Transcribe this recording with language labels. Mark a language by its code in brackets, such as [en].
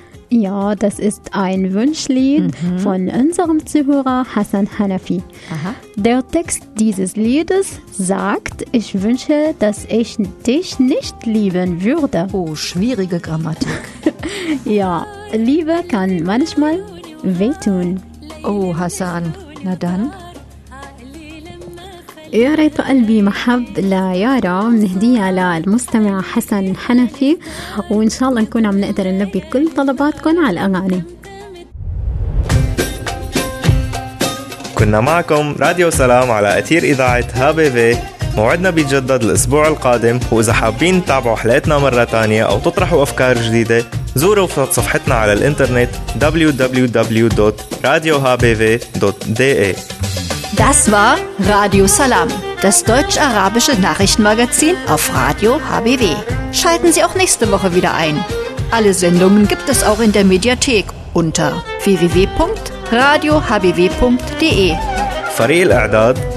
[de] Ja, das ist ein Wunschlied von unserem Zuhörer Hassan Hanafi. Der Text dieses Liedes sagt, ich wünsche, dass ich dich nicht lieben würde. Oh, schwierige Grammatik. Ja, Liebe kann manchmal wehtun. Oh, Hassan, na dann. [ar] يا ريت قلبي محب لا يارا نهديها للمستمع حسن حنفي وإن شاء الله نكون عم نقدر نلبي كل طلباتكم على الأغاني كنا معكم راديو سلام على أثير إذاعة هابيبي موعدنا بيتجدد الأسبوع القادم وإذا حابين تتابعوا حلقتنا مرة تانية أو تطرحوا أفكار جديدة زوروا صفحتنا على الإنترنت www.radiohbw.de [de] Das war Radio Salam, das deutsch-arabische Nachrichtenmagazin auf Radio HBW. Schalten Sie auch nächste Woche wieder ein. Alle Sendungen gibt es auch in der Mediathek unter www.radiohbw.de. Fareel Adad.